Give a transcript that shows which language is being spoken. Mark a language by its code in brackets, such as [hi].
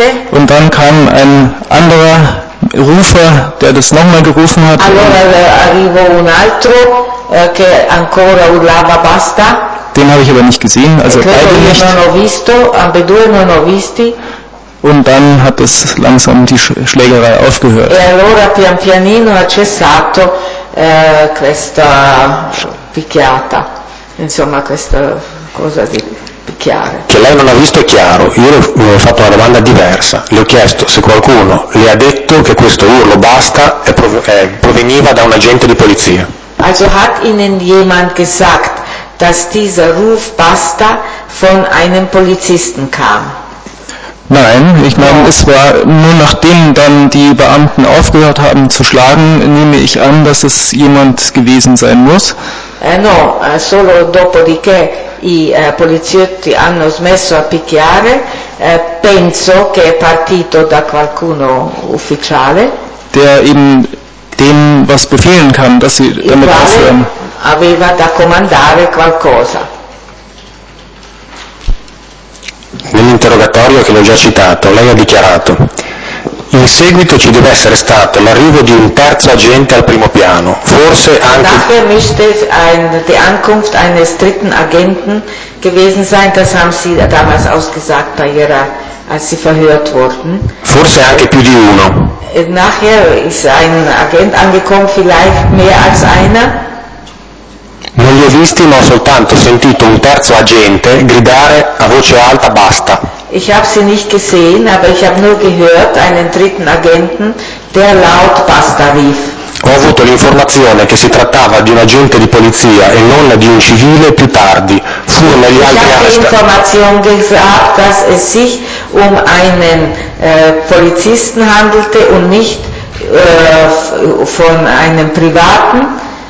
[de] Und dann kam ein anderer Rufer, der das nochmal gerufen hat. Den habe ich aber nicht gesehen, also beide nicht. Und dann hat es langsam die Schlägerei aufgehört. [it] E allora pian pianino ha cessato questa picchiata, insomma questa cosa di picchiare. Che lei non ha visto è chiaro, io le ho fatto una domanda diversa, le ho chiesto se qualcuno le ha detto che questo urlo basta proveniva da un agente di polizia. [de] Also hat Ihnen jemand gesagt, dass dieser Ruf basta von einem Polizisten kam? Nein, ich meine, es war nur nachdem dann die Beamten aufgehört haben zu schlagen, nehme ich an, dass es jemand gewesen sein muss. [it] No, solo dopodiché i poliziotti hanno smesso a picchiare, penso che è partito da qualcuno ufficiale. [de] Der eben dem was befehlen kann, dass sie damit aufhören. [it] Aveva da comandare qualcosa. Nell'interrogatorio che l'ho già citato, lei ha dichiarato: in seguito ci deve essere stato l'arrivo di un terzo agente al primo piano, forse anche. [de] Nachher müsste die Ankunft eines dritten Agenten gewesen sein, das haben Sie damals ausgesagt, als Sie verhört wurden. [it] Forse anche più di uno. [de] Nachher ist ein Agent angekommen, vielleicht mehr als einer. [it] Non li ho visti, ma ho soltanto sentito un terzo agente gridare a voce alta basta. [de] Ich habe sie nicht gesehen, aber ich habe nur gehört einen dritten Agenten, der laut basta rief. [it] Ho avuto l'informazione che si trattava di un agente di polizia e non di un civile più tardi. Furono gli altri arrestati. [de] Ich habe die Information gesagt, dass es sich einen Polizisten handelte und nicht von einem privaten.